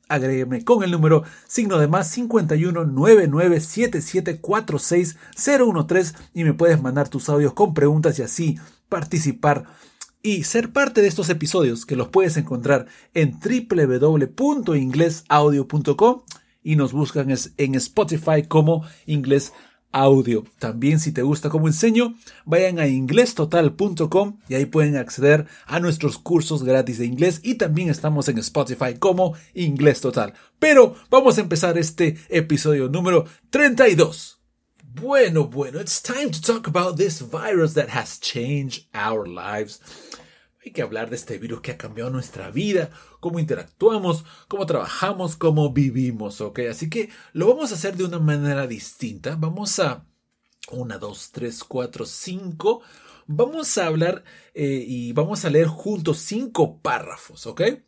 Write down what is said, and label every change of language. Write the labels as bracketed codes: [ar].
[es] Agrégueme con el número signo de más 51 99 77 46 013 y me puedes mandar tus audios con preguntas y así participar y ser parte de estos episodios, que los puedes encontrar en www.inglesaudio.com y nos buscan en Spotify como Inglés Audio. También, si te gusta cómo enseño, vayan a inglestotal.com y ahí pueden acceder a nuestros cursos gratis de inglés. Y también estamos en Spotify como Inglés Total. Pero vamos a empezar este episodio número 32. Bueno, [en] it's time to talk about this virus that has changed our lives. [es] Hay que hablar de este virus que ha cambiado nuestra vida, cómo interactuamos, cómo trabajamos, cómo vivimos, ¿ok? Así que lo vamos a hacer de una manera distinta. Vamos a 1, 2, 3, 4, 5. Vamos a hablar y vamos a leer juntos 5 párrafos, ¿ok?